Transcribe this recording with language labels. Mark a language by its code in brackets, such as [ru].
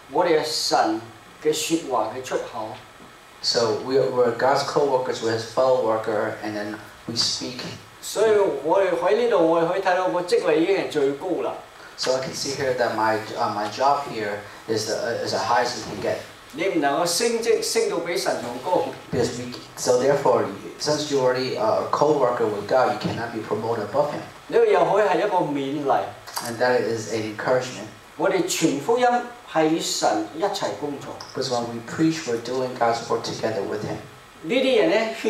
[zh] 即是我们传神的道,我们神的说话的出口。 [en] So we're God's co-workers, we're his fellow worker, and then we speak. [zh] 所以我们在这里,我们会看到我职位已经是最高了。 [en] So I can see here that my job here is the highest you can get. [zh] 你不能够升职升到比神同高。 [en] Therefore, since you're already a co-worker with God, you cannot be promoted above him. [zh] 这又可以是一个勉励。 [en] And that is an encouragement. [zh] 我们传福音是与神一起工作。 [en] Because when we preach, we're doing God's work together with him.